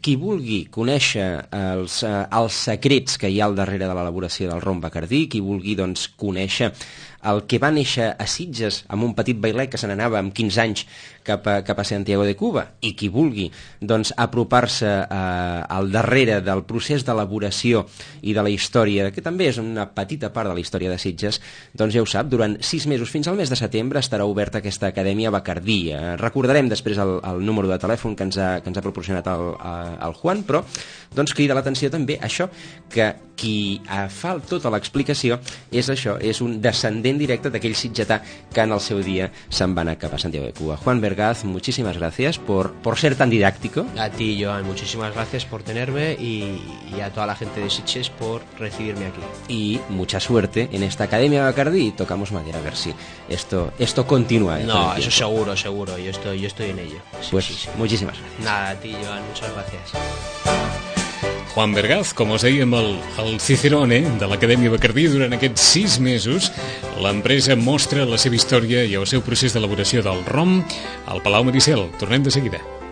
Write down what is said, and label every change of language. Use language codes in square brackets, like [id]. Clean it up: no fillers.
[ca] Qui vulgui conèixer els secrets que hi ha al darrere de l'elaboració del rom Bacardí, qui vulgui doncs conèixer el que va néixer a Sitges amb un petit bailet que se n'anava amb 15 anys cap a Santiago de Cuba, i qui vulgui doncs apropar-se al darrere del procés d'elaboració i de la història, que també és una petita part de la història de Sitges, doncs ja ho sap, durant 6 mesos fins al mes de setembre estarà oberta aquesta Acadèmia Bacardí. Recordarem després el número de telèfon que ens ha proporcionat el Juan, però doncs crida l'atenció també això, que qui fa tota l'explicació és això, és un descendent directe d'aquell sitgetà que en el seu dia se'n va anar cap a Santiago de Cuba. [es] Juan Bergaz, muchísimas gracias por ser tan didáctico. A ti, Joan, muchísimas gracias por tenerme y a toda la gente de Sitges por recibirme aquí. Y mucha suerte en esta Academia Bacardí, y tocamos madera a ver si esto continúa. No, eso seguro, seguro, yo estoy en ello. Sí, pues sí, sí. Muchísimas gracias. Nada, a ti, Joan, muchas gracias. [ca] Juan Bergaz, com us dèiem, el Cicerone de l'Acadèmia Bacardí, durant aquests 6 mesos, l'empresa mostra la seva història i el seu procés d'elaboració del rom al Palau Maricel. Tornem de seguida.